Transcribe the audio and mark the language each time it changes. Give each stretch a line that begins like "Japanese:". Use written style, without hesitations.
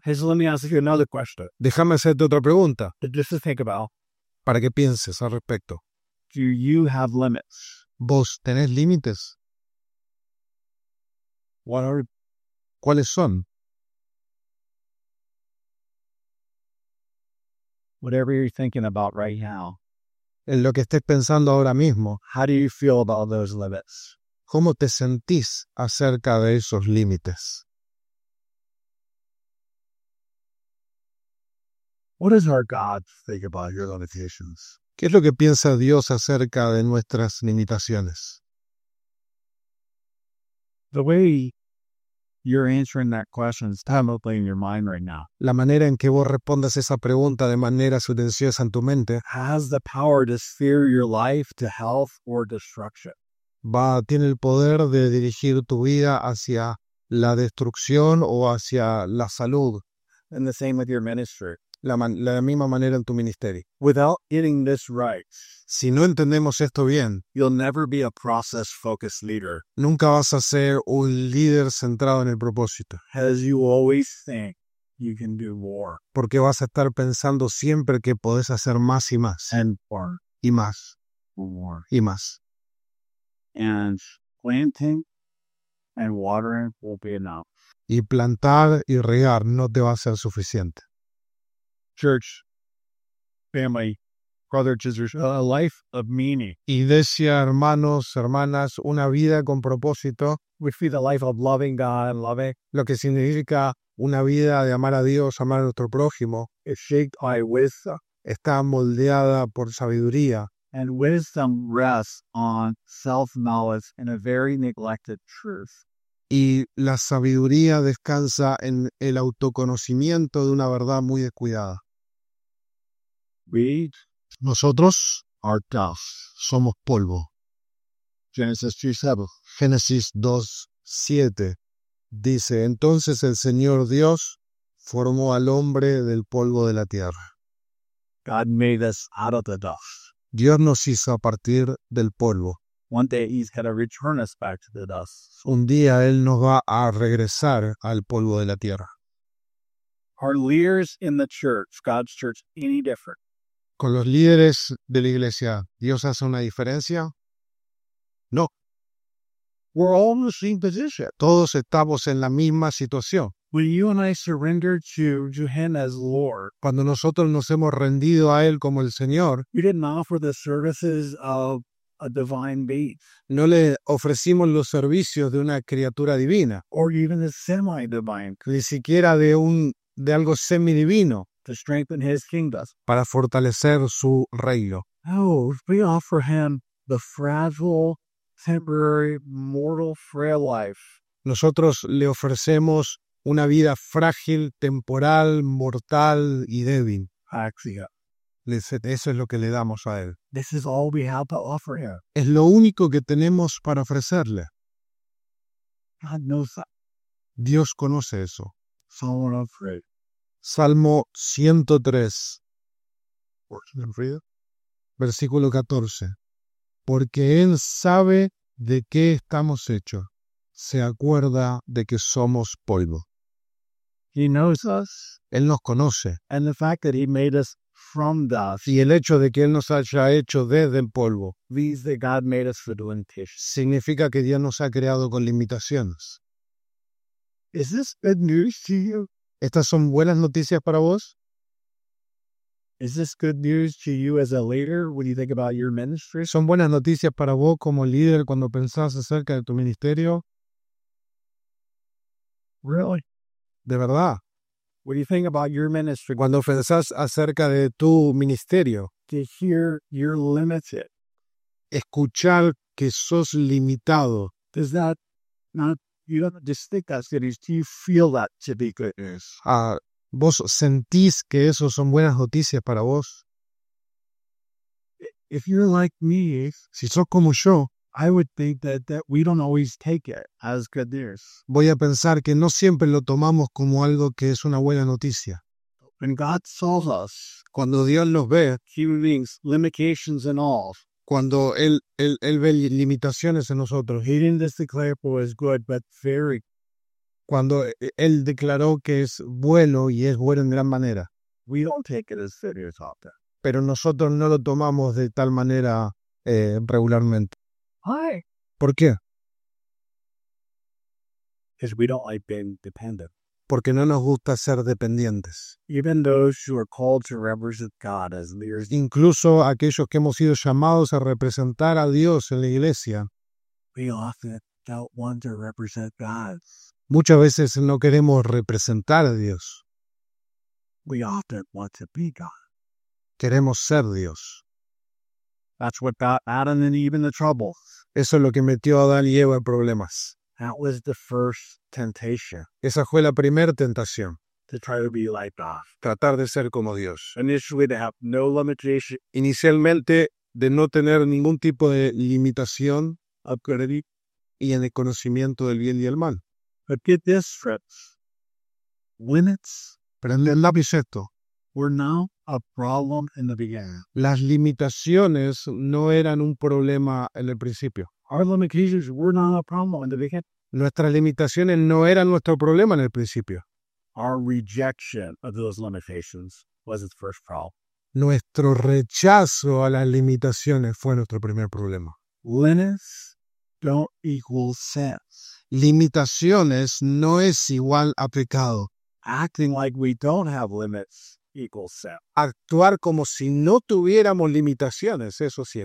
English: Hey, so let me ask you another question.
Spanish: Déjame hacerte otra pregunta.
English: Just to think about.
Spanish: Para que pienses al respecto.
English: Do you have limits?
Spanish: ¿Vos tenés límites?
English: What are...
Spanish: ¿Cuáles son?
English: Whatever you're thinking about right now.
Spanish: En lo que estés pensando ahora mismo.
English: How do you feel about those limits?
Spanish: ¿Cómo te sentís acerca de esos límites?
English: What does our God think about your limitations?
Spanish: ¿Qué es lo que piensa Dios acerca de nuestras limitaciones?
English: The way you're answering that question is probably in your mind right now.
Spanish: La manera en que vos respondas esa pregunta de manera silenciosa en tu mente.
English: Has the power to steer your life to health or destruction.
Spanish: Tiene el poder de dirigir tu vida hacia la destrucción o hacia la salud.
English: And the same with your ministry.
Spanish: La misma manera en tu ministerio.
English: Without getting this right,
Spanish: si no entendemos esto bien,
English: you'll never be a process-focused leader.
Spanish: Nunca vas a ser un líder centrado en el propósito.
English: As you always think, you can do more.
Spanish: Porque vas a estar pensando siempre que podés hacer más y más.
English: And more.
Spanish: Y más.
English: More.
Spanish: Y más.
English: And planting and watering will be enough.
Spanish: Y plantar y regar no te va a ser suficiente.
English: Church, family, brother, sisters, a life of meaning.
Spanish: Y decía, hermanos, hermanas, una vida con propósito.
English: Which means a life of loving God and loving.
Spanish: Lo que significa una vida de amar a Dios, amar a nuestro prójimo.
English: Is shaped by wisdom.
Spanish: Está moldeada por sabiduría.
English: And wisdom rests on self-knowledge and a very neglected truth.
Spanish: Y la sabiduría descansa en el autoconocimiento de una verdad muy descuidada. Nosotros
English: are dust.
Spanish: Somos polvo. Génesis 2:7 dice, entonces el Señor Dios formó al hombre del polvo de la tierra.
English: God made us out of the dust.
Spanish: Dios nos hizo a partir del polvo.
English: One day he's going to return us back to the dust.
Spanish: Un día él nos va a regresar al polvo de la tierra.
English: Are leaders in the church, God's church, any different?
Spanish: ¿Con los líderes de la iglesia, Dios hace una diferencia?
English: No. We're all in the same position.
Spanish: Todos estamos en la misma situación.
English: When you and I surrender to him as Lord,
Spanish: cuando nosotros nos hemos rendido a él como el Señor,
English: we didn't offer the services of a divine being.
Spanish: No le ofrecimos los servicios de una criatura divina.
English: Or even a semi-divine.
Spanish: Ni siquiera de algo semidivino.
English: To strengthen his kingdom.
Spanish: Para fortalecer su reino.
English: Oh, we offer him the fragile, temporary, mortal, frail life.
Spanish: Nosotros le ofrecemos una vida frágil, temporal, mortal y débil. Axia. Eso es lo que le damos a él.
English: This is all we have to offer him.
Spanish: Es lo único que tenemos para ofrecerle.
English: God knows that.
Spanish: Dios conoce eso.
English: Psalm 103.
Spanish: Salmo 103. Versículo 14. Porque él sabe de qué estamos hechos. Se acuerda de que somos polvo.
English: He knows us.
Spanish: Él nos conoce.
English: And the fact that he made us from dust.
Spanish: Y el hecho de que él nos haya hecho desde el polvo.
English: Means that God made us for limitations.
Spanish: Significa que Dios nos ha creado con limitaciones.
English: Is this good news to you?
Spanish: ¿Estas son buenas noticias para vos?
English: Is this good news to you as a leader when you think about your ministry?
Spanish: ¿Son buenas noticias para vos como líder cuando pensás acerca de tu ministerio?
English: Really?
Spanish: ¿De verdad?
English: What do you think about your ministry?
Spanish: Cuando pensás acerca de tu ministerio,
English: to hear you're limited.
Spanish: Escuchar que sos limitado.
English: Does that not, you don't just think that's good news. Do you feel that to be good news?
Spanish: ¿Vos sentís que eso son buenas noticias para vos?
English: If you're like me,
Spanish: si sos como yo,
English: I would think that we don't always take it as good news.
Spanish: Voy a pensar que no siempre lo tomamos como algo que es una buena noticia.
English: When God saw us,
Spanish: cuando Dios nos ve,
English: human beings, limitations and all,
Spanish: cuando él ve limitaciones en nosotros,
English: he didn't just declare it was good, but very.
Spanish: Cuando él declaró que es bueno y es bueno en gran manera.
English: We don't take it as good news often.
Spanish: Pero nosotros no lo tomamos de tal manera regularmente.
English: Why?
Spanish: ¿Por qué?
English: Because we don't like being dependent.
Spanish: Porque no nos gusta ser dependientes.
English: Even those who are called to represent God as leaders.
Spanish: Incluso aquellos que hemos sido llamados a representar a Dios en la iglesia.
English: We often don't want to represent God.
Spanish: Muchas veces no queremos representar a Dios.
English: We often want to be God.
Spanish: Queremos ser Dios.
English: That's what got Adam and Eve in the trouble.
Spanish: Eso es lo que metió a Adán y Eva en problemas.
English: That was the first temptation.
Spanish: Esa fue la primera tentación.
English: To try to be like God.
Spanish: Tratar de ser como Dios.
English: Initially to have no limitation.
Spanish: Inicialmente de no tener ningún tipo de limitación.
English: Of good and evil.
Spanish: Y en el conocimiento del bien y el mal.
English: But get this, friends. When it's.
Spanish: Pero entendamos esto.
English: We're now a problem in the beginning.
Spanish: Las limitaciones no eran un problema en el principio.
English: Our limitations were not a problem in the beginning.
Spanish: Nuestras limitaciones no eran nuestro problema en el principio.
English: Our rejection of those limitations was its first problem.
Spanish: Nuestro rechazo a las limitaciones fue nuestro primer problema.
English: Limits don't equal sin.
Spanish: Limitaciones no es igual a pecado.
English: Acting like we don't have limits. Equal sin.
Spanish: Actuar como si no tuviéramos limitaciones, eso sí.